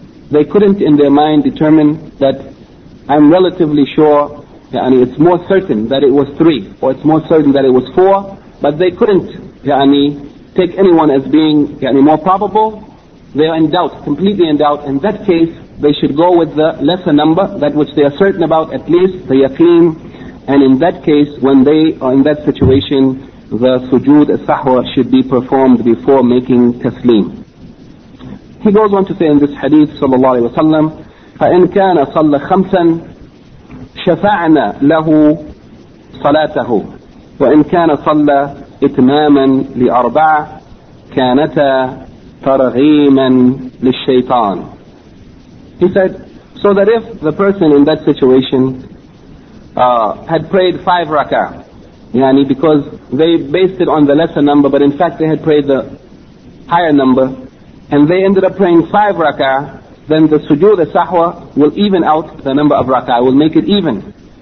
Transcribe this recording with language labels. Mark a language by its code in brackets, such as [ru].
[en] They couldn't in their mind determine that I'm relatively sure, yani it's more certain that it was 3 or it's more certain that it was 4, but they couldn't, yani, take anyone as being yani more probable. They are in doubt, completely in doubt. In that case, they should go with the lesser number, that which they are certain about, at least the yaqeen. And in that case, when they are in that situation, the sujood as-sahwa should be performed before making taslim. He goes on to say in this hadith, sallallahu alayhi wa sallam, [ar] فَإِنْ كَانَ صَلَّ خَمْسًا شَفَعْنَا لَهُ صَلَاتَهُ وَإِنْ كَانَ صَلَّ إِتْمَامًا لِأَرْبَعَ كَانَتَا تَرْغِيمًا لِلشَّيْطَانِ. [en] He said, so that if the person in that situation had prayed 5 rak'ah, yani because they based it on the lesser number, but in fact they had prayed the higher number, and they ended up praying 5 rak'ah, then the sujood, the sahwa, will even out the number of rak'ah, will make it even.